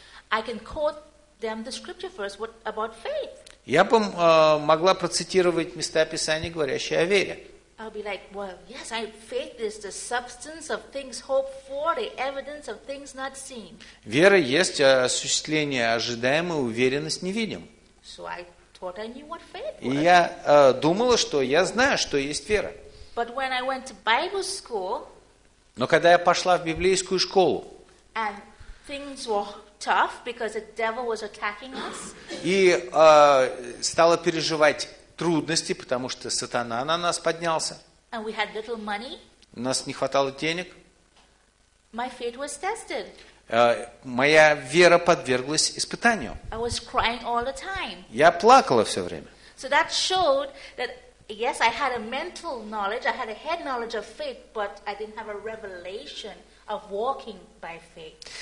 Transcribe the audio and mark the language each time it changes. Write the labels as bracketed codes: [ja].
[en] I can quote them the scripture first. What about faith? [ru] Я бы могла процитировать места Писания, говорящие о вере. [en] I'll be like, well, yes, faith is the substance of things hoped for, the evidence of things not seen. [ru] Вера есть осуществление ожидаемое, уверенность невидим. [en] So I thought I knew what faith was. [ru] И я думала, что я знаю, что есть вера. [en] But when I went to Bible school, [ru] но когда я пошла в библейскую школу, [en] and things were tough because the devil was attacking us. [ru] И стала переживать трудности, потому что сатана на нас поднялся. [en] And we had little money. [ru] У нас не хватало денег. [en] My faith was tested. [ru] Моя вера подверглась испытанию. [en] I was crying all the time. [ru] Я плакала все время. [en] So that showed that yes, I had a mental knowledge, I had a head knowledge of faith, but I didn't have a revelation of walking by faith.